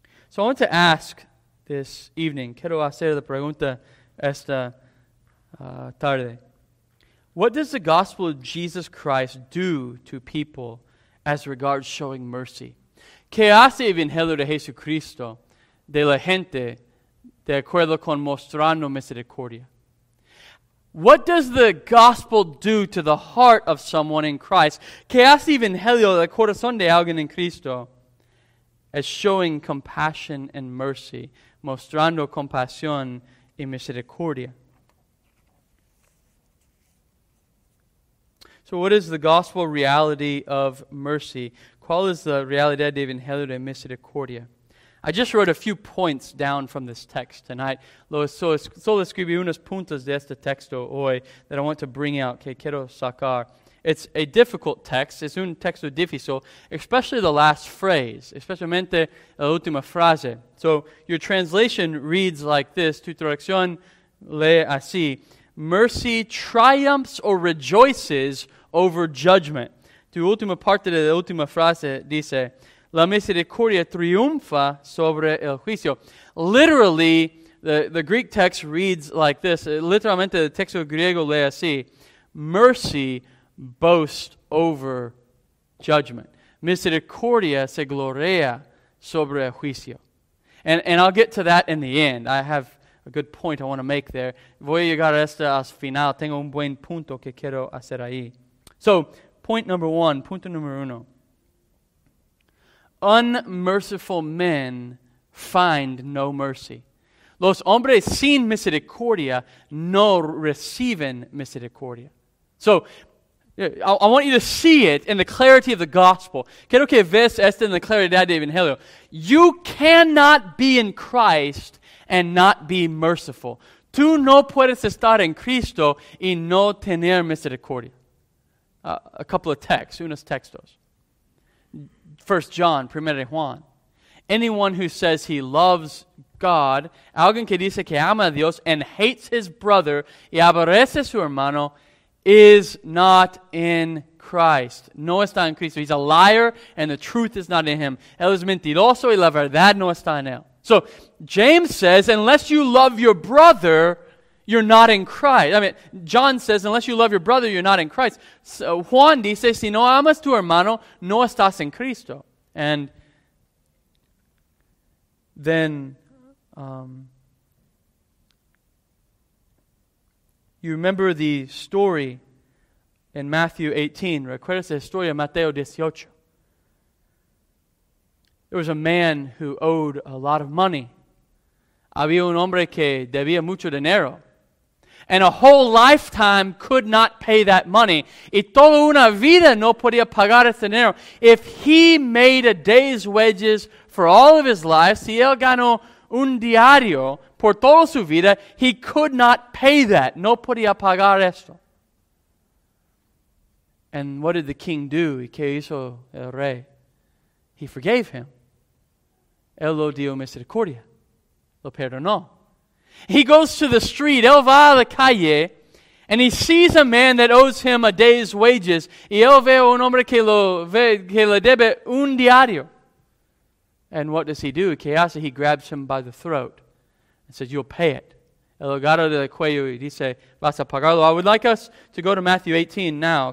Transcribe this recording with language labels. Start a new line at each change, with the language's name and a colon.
English: So I want to ask this evening,
Spanish: quiero hacer la pregunta esta tarde.
English: What does the gospel of Jesus Christ do to people as regards showing mercy.
Spanish: ¿Qué hace el Evangelio de Jesucristo de la gente de acuerdo con mostrando misericordia?
English: What does the gospel do to the heart of someone in Christ?
Spanish: ¿Qué hace el Evangelio del corazón de alguien en Cristo?
English: As showing compassion and mercy,
Spanish: mostrando compasión y misericordia.
English: So what is the gospel reality of mercy?
Spanish: ¿Cuál es la realidad del Evangelio de misericordia?
English: I just wrote a few points down from this text tonight.
Spanish: Solo escribí unos puntos de este texto hoy
English: that I want to bring out,
Spanish: que quiero sacar.
English: It's a difficult text.
Spanish: Es un texto difícil,
English: especially the last phrase,
Spanish: especialmente la última frase.
English: So your translation reads like this.
Spanish: Tu traducción lee así.
English: Mercy triumphs or rejoices over judgment.
Spanish: Tu última parte de la última frase dice, la misericordia triunfa sobre el juicio.
English: Literally, the Greek text reads like this.
Spanish: Literalmente, el texto griego lee así.
English: Mercy boast over judgment.
Spanish: Misericordia se gloria sobre el juicio.
English: And I'll get to that in the end. I have a good point I want to make there.
Spanish: Voy a llegar a esto al final. Tengo un buen punto que quiero hacer ahí.
English: So,
Spanish: punto número uno.
English: Unmerciful men find no mercy.
Spanish: Los hombres sin misericordia no reciben misericordia.
English: So, I want you to see it in the clarity of the gospel.
Spanish: Quiero que veas esto en la claridad del Evangelio.
English: You cannot be in Christ and not be merciful.
Spanish: Tú no puedes estar en Cristo y no tener misericordia.
English: A couple of texts,
Spanish: unos textos.
English: 1 John, 1 Juan. Anyone who says he loves God,
Spanish: alguien que dice que ama a Dios
English: and hates his brother
Spanish: y aborrece su hermano,
English: is not in Christ.
Spanish: No está en Cristo.
English: He's a liar and the truth is not in him.
Spanish: Él es mentiroso y la verdad no está en él.
English: So, James says, unless you love your brother, you're not in Christ. I mean, John says, unless you love your brother, you're not in Christ.
Spanish: So, Juan dice, si no amas tu hermano, no estás en Cristo.
English: And then you remember the story in Matthew 18.
Spanish: Recuerdas la historia de Mateo 18.
English: There was a man who owed a lot of money.
Spanish: Había un hombre que debía mucho dinero.
English: And a whole lifetime could not pay that money.
Spanish: Y toda una vida no podía pagar ese dinero.
English: If he made a day's wages for all of his life,
Spanish: si él ganó un diario por toda su vida,
English: he could not pay that.
Spanish: No podía pagar esto.
English: And what did the king do?
Spanish: ¿Qué hizo el rey?
English: He forgave him.
Spanish: Él lo dio misericordia. Lo perdonó.
English: He goes to the street,
Spanish: él va a la calle,
English: and he sees a man that owes him a day's wages,
Spanish: y él ve un hombre que lo ve, que le debe un diario.
English: And what does he do?
Spanish: ¿Qué hace?
English: He grabs him by the throat and says, you'll pay it.
Spanish: El agarra del cuello y dice, vas a pagarlo.
English: I would like us to go to Matthew 18 now.